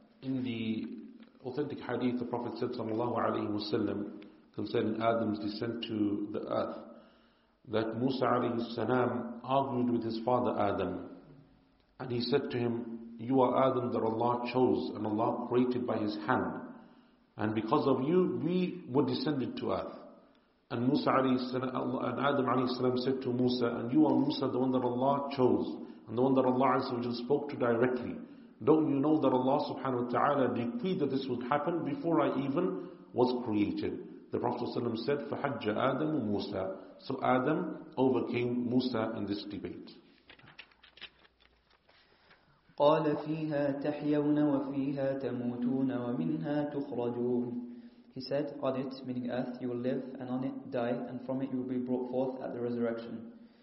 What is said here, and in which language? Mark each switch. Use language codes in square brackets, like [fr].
[en] In the authentic hadith, the Prophet said sallallahu alayhi wa sallam concerning Adam's descent to the earth, that Musa alayhi salam argued with his father Adam, and he said to him, you are Adam that Allah chose and Allah created by his hand, and because of you we were descended to earth. And Musa alayhi salam, and Adam alayhi salam said to Musa, and you are Musa, the one that Allah chose, and the one that Allah Azza wa Jal spoke to directly. Don't you know that Allah subhanahu wa ta'ala decreed that this would happen before I even was created? The Prophet ﷺ said, [ar] فَحَجَّ آدَمُ مُوسَى. [en] So Adam overcame Musa in this debate. [ar] قَالَ فِيهَا تَحْيَوْنَ وَفِيهَا تَمُوتُونَ وَمِنْهَا تُخْرَجُونَ. [en] He said, on it, meaning earth, you will live, and on it die, and from it you will be brought forth at the resurrection.